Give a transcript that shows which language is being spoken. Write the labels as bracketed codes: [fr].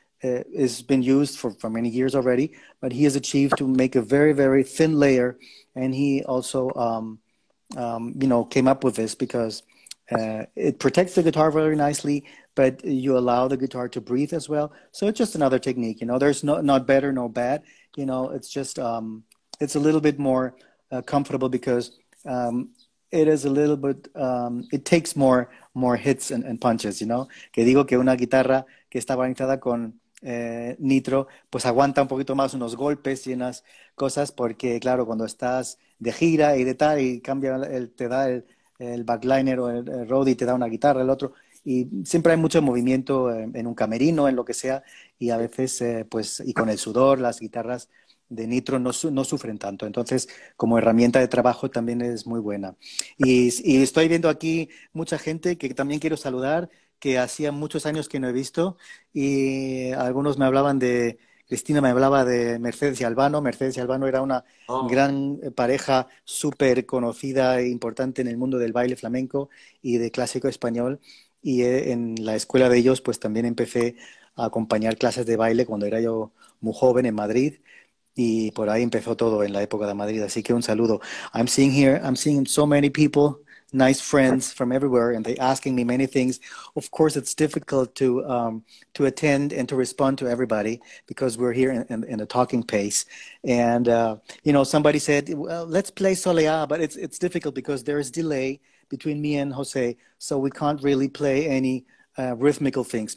[en] Has been used for many years already, but he has achieved to make a very, very thin layer, and he also came up with this because it protects the guitar very nicely, but you allow the guitar to breathe as well. So it's just another technique. There's not better, no bad. It's just it's a little bit more comfortable because it is a little bit, it takes more hits and punches, you know? [es] Que digo que una guitarra que está balanceada con nitro, pues aguanta un poquito más unos golpes y unas cosas, porque claro, cuando estás de gira y de tal, y cambia, te da el backliner o el roadie, te da una guitarra, el otro, y siempre hay mucho movimiento en un camerino, en lo que sea, y a veces, pues, y con el sudor, las guitarras de nitro no sufren tanto. Entonces, como herramienta de trabajo también es muy buena. Y estoy viendo aquí mucha gente que también quiero saludar, que hacía muchos años que no he visto, y algunos me hablaban de, Cristina me hablaba de Mercedes y Albano. Mercedes y Albano era una gran pareja súper conocida e importante en el mundo del baile flamenco y de clásico español. Y en la escuela de ellos, pues también empecé a acompañar clases de baile cuando era yo muy joven en Madrid. Y por ahí empezó todo en la época de Madrid. Así que un saludo. [en] I'm seeing so many people, nice friends from everywhere, and they're asking me many things. Of course, it's difficult to attend and to respond to everybody because we're here in a talking pace. And, you know, somebody said, well, let's play Soleá, but it's difficult because there is delay between me and Jose, so we can't really play any rhythmical things.